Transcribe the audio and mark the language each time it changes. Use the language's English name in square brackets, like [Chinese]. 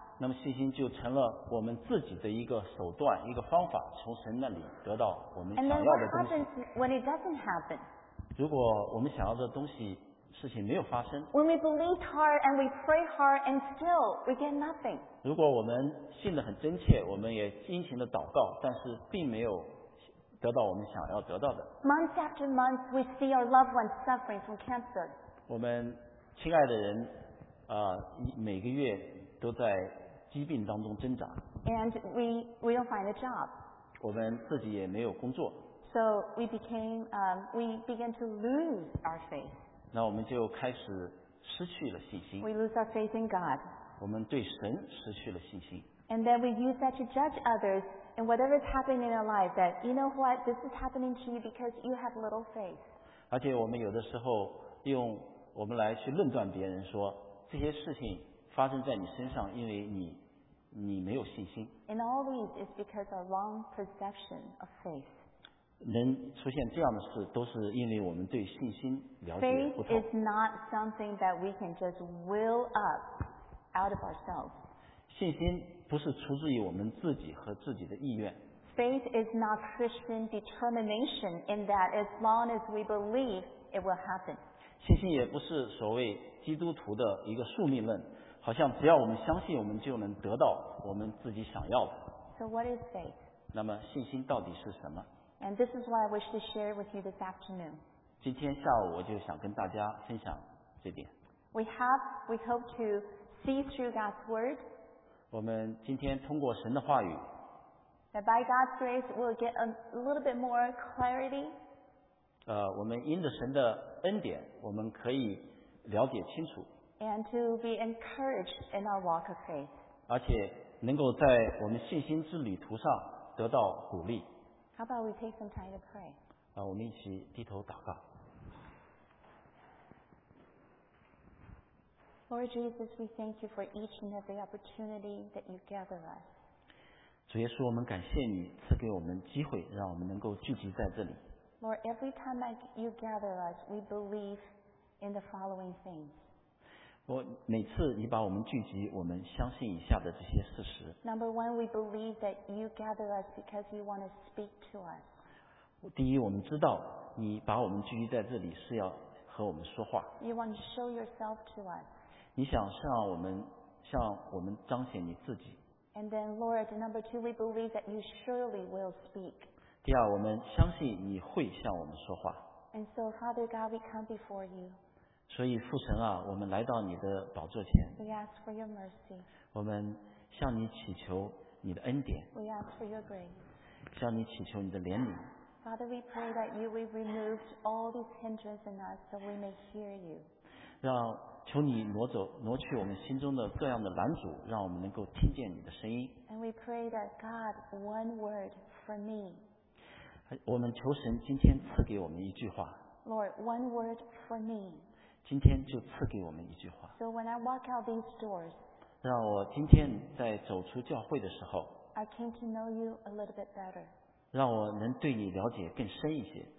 [Chinese] 那么信心就成了我们自己的一个手段，一个方法，从神那里得到我们想要的东西。 [English] And then what happens when it doesn't happen? [Chinese] 如果我们想要的东西，事情没有发生。 [English] When we believe hard and we pray hard and still we get nothing. [Chinese] 如果我们信得很真切，我们也殷勤的祷告，但是并没有得到我们想要得到的。 [English] Month after month, we see our loved ones suffering from cancer. [Chinese] 我们亲爱的人，每个月都在疾病当中挣扎。 [English] And we don't find a job. [Chinese] 我们自己也没有工作。 [English] So we began to lose our faith. [Chinese] 那我们就开始失去了信心。 [English] We lose our faith in God. [Chinese] 我们对神失去了信心。 [English] And then we use that to judge others and whatever is happening in our life that, you know what, this is happening to you because you have little faith. [Chinese] 而且我们有的时候用我们来去论断别人说这些事情发生在你身上因为你没有信心。 [English] And all these is because of wrong perception of faith. [Chinese] 能出现这样的事都是因为我们对信心了解不同。 [English] Faith is not something that we can just will up out of ourselves. [Chinese] 信心不是出自于我们自己和自己的意愿。 [English] Faith is not Christian determination in that as long as we believe it will happen. [Chinese] 信心也不是所谓基督徒的一个宿命论，好像只要我们相信我们就能得到我们自己想要的。 [English] So what is faith? [Chinese] 那么信心到底是什么？ [English] And this is why I wish to share with you this afternoon. [Chinese] 今天下午我就想跟大家分享这点。 [English] We hope to see through God's word. [Chinese] 我们今天通过神的话语。 [English] That by God's grace, we'll get a little bit more clarity. [Chinese] 我们因着神的恩典，我们可以了解清楚。 [English] And to be encouraged in our walk of faith. [Chinese] 而且能够在我们信心之旅途上得到鼓励。 [English] How about we take some time to pray? [Chinese] 我们一起低头祷告。 [English] Lord Jesus, we thank you for each and every opportunity that you gather us. [Chinese] 主耶稣，我们感谢你赐给我们机会，让我们能够聚集在这里。 [English] Lord, every time you gather us, we believe in the following things. [Chinese] 每次你把我们聚集，我们相信以下的这些事实。 [English] Number one, we believe that you gather us because you want to speak to us. [Chinese] 第一，我们知道你把我们聚集在这里是要和我们说话。 [English] You want to show yourself to us. [Chinese] 你想向我们彰显你自己。 [English] And then, Lord, number two, we believe that you surely will speak. [Chinese] 第二，我们相信你会向我们说话。 [English] And so, Father God, we come before you. [Chinese] 所以父神啊，我们来到你的宝座前。 [English] We ask for your mercy. [Chinese] 我们向你祈求你的恩典。 [English] We ask for your grace. [Chinese] 向你祈求你的怜悯。 [English] Father, we pray that you will remove all these hindrances in us so we may hear you. [Chinese] 求你挪去我们心中的各样的拦阻，让我们能够听见你的声音。 [English] And we pray that God, one word for me. [Chinese] 我们求神今天赐给我们一句话。 [English] Lord, one word for me. [Chinese] 今天就赐给我们一句话。 [English] So when I walk out these doors, [Chinese] 让我今天在走出教会的时候， [English] I came to know you a little bit better. [Chinese] 让我能对你了解更深一些。